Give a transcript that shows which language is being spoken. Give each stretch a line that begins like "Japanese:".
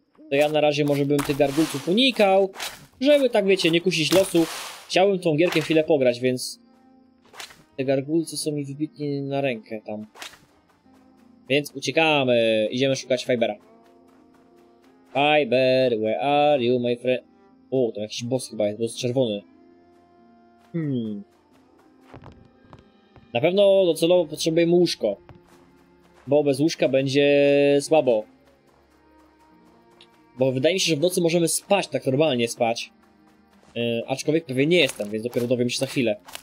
Polish: To ja na razie może bym tych gargulców unikał. Żeby tak, wiecie, nie kusić losu. Chciałbym tą gierkę chwilę pograć, więc... Te gargulce są mi wybitnie na rękę tam. Więc uciekamy, idziemy szukać Fibera.
English: Fiber, where are you, my friend?
Polish: O, tam jakiś boss chyba jest, boss czerwony. Na pewno docelowo potrzebujemy łóżko. Bo bez łóżka będzie słabo. Bo wydaje mi się, że w nocy możemy spać, tak normalnie spać. Aczkolwiek pewnie nie jestem, więc dopiero dowiem się za chwilę.